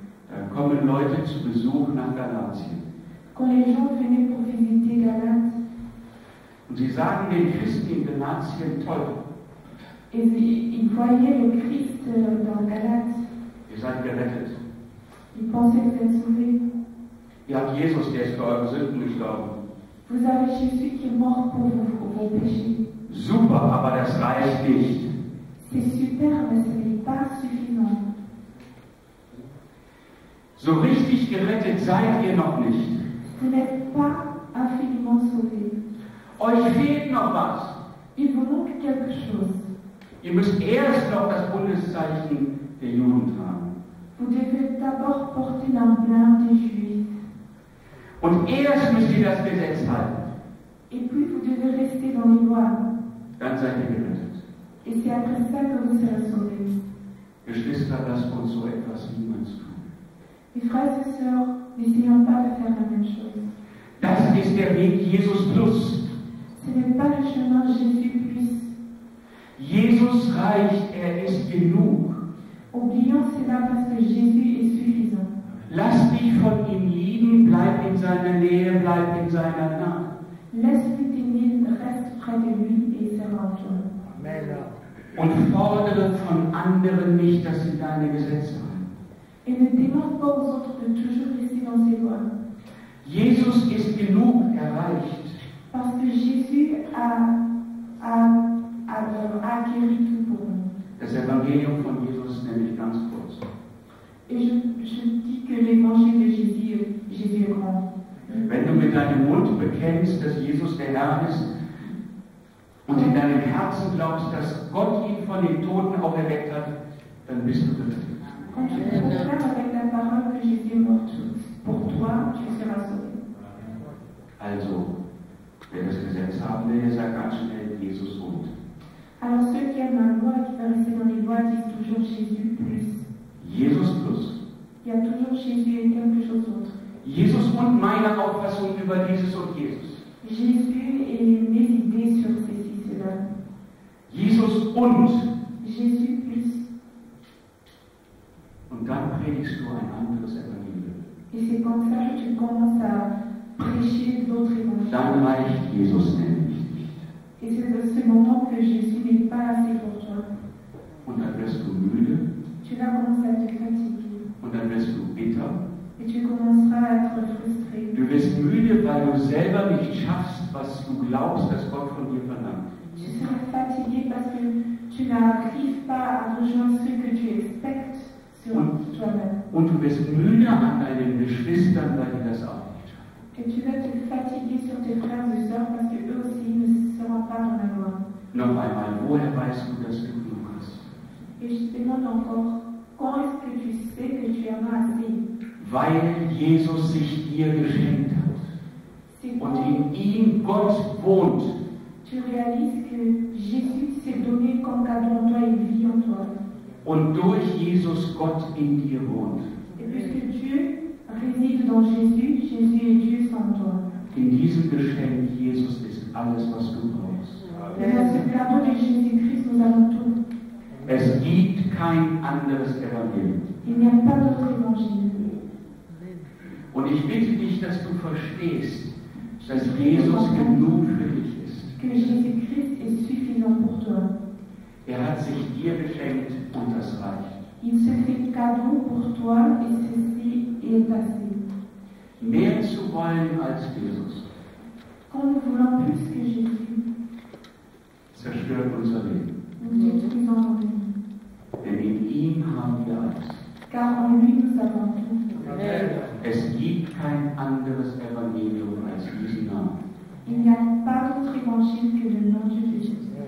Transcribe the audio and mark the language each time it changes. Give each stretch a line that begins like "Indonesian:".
German: Da kommen Leute zu Besuch nach Galatien.
French: Quand les gens venaient pour visiter Galate.
German: Und sie sagen den Christen in Galatien toll.
French: Et ils voyaient le Christ dans Galate.
German: Ihr seid gerettet.
French: Ils pensaient que vous êtes sauvés.
German: Ihr habt Jesus, der ist für eure Sünden gestorben.
French: Vous avez Jésus qui est mort pour vos péchés.
German: Super, aber das reicht nicht.
French: C'est super, mais ce n'est pas suffisant.
German: So richtig gerettet seid ihr noch nicht.
French: Vous n'êtes pas infiniment sauvé.
German: Euch fehlt noch was.
French: Il vous manque quelque chose.
German: Ihr müsst erst noch das Bundeszeichen der Juden tragen.
French: Vous devez d'abord porter l'emblème des Juifs.
German: Und erst müsst ihr das Gesetz halten.
French: Et puis vous devez rester dans les lois.
German: Dann seid ihr gerettet.
French: Et c'est après ça que vous serez sauvés.
German: Geschwister, lasst uns so etwas niemals tun.
French: Mes frères et sœurs, n'essayons pas de faire la même chose.
German: Das ist der Weg Jesus plus.
French: Ce n'est pas le chemin Jésus plus.
German: Jesus reicht, ist genug.
French: Oublions cela parce que Jésus est suffisant.
German: Lass dich von ihm lieben, bleib in seiner Nähe, bleib in seiner Nähe.
French: Laisse-lui t'aimer, reste près de lui et serre en toi. Amen.
German: Und fordere von anderen nicht, dass sie deine Gesetze haben.
French: Et ne demande pas aux autres de toujours rester dans ses lois.
German: Jesus ist genug erreicht.
French: Parce que Jésus a acquis tout pour nous.
German: Das Evangelium von Jesus nämlich ganz groß.
French: Et je dis que l'évangile de Jésus est grand.
German: Wenn du mit deinem Mund bekennst, dass Jesus der Herr ist, und in deinem Herzen glaubst, dass Gott ihn von den Toten auferweckt hat, dann bist du gerettet.
French: Quand tu confères avec la parole que Jésus est mort pour toi, tu seras sauvé.
German: Also, wer das Gesetz haben will, sagt ganz schnell, Jesus wohnt.
French: Alors ceux qui aiment la loi et qui paraissent dans les lois disent toujours Jésus plus.
German: Jesus plus.
French: Il y a toujours Jésus et quelque chose d'autre.
German: Jesus und meine Auffassung über dieses und Jesus.
French: Jésus et mes idées sur ceci, cela.
German: Jesus und.
French: Jésus plus.
German: Und dann predigst du ein anderes Evangelium.
French: Et c'est comme ça que tu commences à prêcher d'autres évangiles.
German: Dann reicht Jesus nämlich nicht.
French: Et c'est à ce moment que Jésus n'est pas assez pour toi.
German: Und dann wirst du müde.
French: Tu vas commencer à te fatiguer.
German: Und dann wirst du bitter.
French: Et tu commenceras à être frustré.
German: Du wirst müde, weil du selber nicht schaffst, was du glaubst, dass Gott von dir verlangt.
French: Tu seras fatigué parce que tu n'arrives pas à rejoindre ce que tu expectes sur toi-même.
German: Und du wirst müde an deinen Geschwistern, weil die das auch nicht schaffen.
French: Et tu vas te fatiguer sur tes frères et sœurs parce que eux aussi ne seront pas dans la loi.
German: Noch einmal, woher weißt du, dass du genug hast?
French: Et je te demande encore, quand est-ce que tu sais que tu en as assez?
German: Weil Jesus sich dir geschenkt hat. Und in ihm Gott wohnt.
French: Tu réalises que Jésus s'est donné comme cadeau en toi et vit en toi.
German: Und durch Jesus Gott in dir wohnt.
French: Et puisque Dieu réside dans Jésus, Jésus est Dieu sans toi.
German: In diesem Geschenk Jesus ist alles, was du brauchst.
French: Et dans ce cadeau de Jésus-Christ, nous avons tout.
German: Es gibt kein anderes Evangelium.
French: Il n'y a pas d'autre évangile.
German: Und ich bitte dich, dass du verstehst, dass Jesus genug für dich ist.
French: Que Jésus-Christ est suffisant pour toi.
German: Er hat sich dir geschenkt und das reicht.
French: Il se fait cadeau pour toi et ceci est assez.
German: Mehr zu wollen als Jesus.
French: Comme voulant plus que Jésus.
German: Zerstört unser Leben.
French: Détruit notre vie.
German: Denn in ihm haben wir alles.
French: Car en lui nous avons tout.
German: Es gibt kein anderes Evangelium als diesen Namen.
French: Il n'y a pas d'autre évangile que le nom de Jésus.